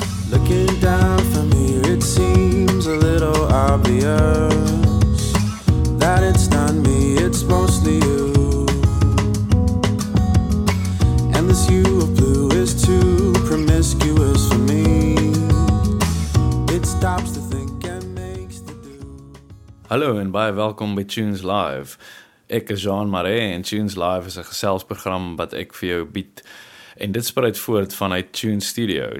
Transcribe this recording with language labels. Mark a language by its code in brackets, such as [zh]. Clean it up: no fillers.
[en] looking down from here, it seems a little obvious that it's not me, it's mostly you. And this you of blue is too promiscuous for me. It stops to think and makes to do. [af] Hallo en baie welkom by Tunes Live. Ek is Jean Marais en Tunes Live is 'n geselsprogram wat ek vir jou bied. En dit spruit voort vanuit Tune Studio.